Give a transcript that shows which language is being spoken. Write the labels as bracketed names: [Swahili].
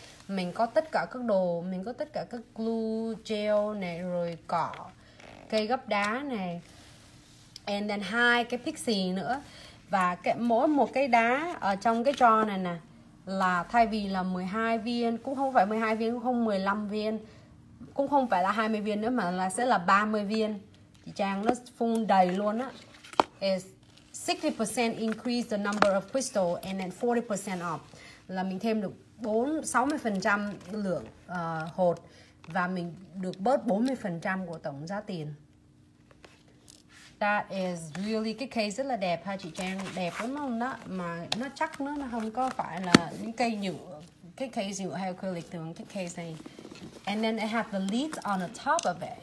[Vietnamese] Mình có tất cả các đồ, mình có tất cả các glue gel này, rồi cỏ, cây gấp đá này, [English] and then [Vietnamese] 2 cái pixie nữa. Và cái, mỗi một cái đá ở trong cái jar này nè, là thay vì là 12 viên, cũng không phải 12 viên, cũng không 15 viên, cũng không phải là 20 viên nữa, mà là sẽ là 30 viên. Chị Trang nó phun đầy luôn á. [English] It's 60% increase the number of crystal and then 40% off. [Vietnamese] Là mình thêm được 60% lượng hột và mình được bớt 40% của tổng giá tiền. [English] That is really, [Vietnamese] cái case rất là đẹp ha chị Trang, đẹp lắm không đó. Mà nó chắc nữa, nó không có phải là những cây nhựa, cái case nhựa hay acrylic thường, cái case này. [English] And then it have the lid on the top of it.